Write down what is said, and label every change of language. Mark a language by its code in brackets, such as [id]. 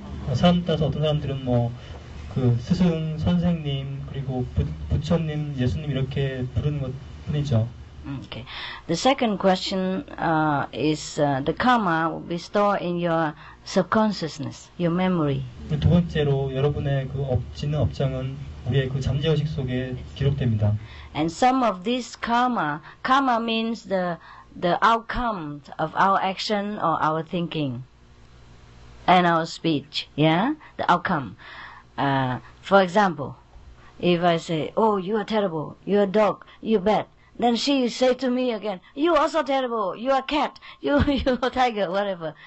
[ko] 사람 따라서 어떤 사람들은 뭐 그 스승, 선생님, 그리고 부처님, 예수님 이렇게 부르는 것 뿐이죠. [en] Okay. The second question is the karma will be stored in your subconsciousness, your memory. [ko] 두 번째로 여러분의 그 없지는 업장은 우리의 그 잠재의식 속에 기록됩니다. [en] And some of this karma means the outcome of our action or our thinking and our speech, yeah? The outcome. For example, if I say, oh, you are terrible, you are dog, you are bad, then she say to me again, you are also terrible, you are cat, you are tiger, whatever.